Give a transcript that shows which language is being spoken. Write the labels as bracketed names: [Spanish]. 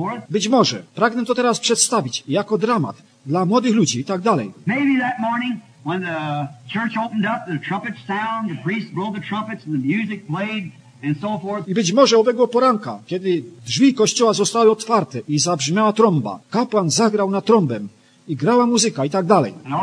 [Polish] Być może pragnę to teraz przedstawić jako dramat dla młodych ludzi i tak dalej. [English] Maybe that morning when the church opened up, the trumpets sound, the priests blow the trumpets and the music played. [Polish] I być może owego poranka, kiedy drzwi kościoła zostały otwarte i zabrzmiała trąba, kapłan zagrał na trąbę i grała muzyka i tak dalej.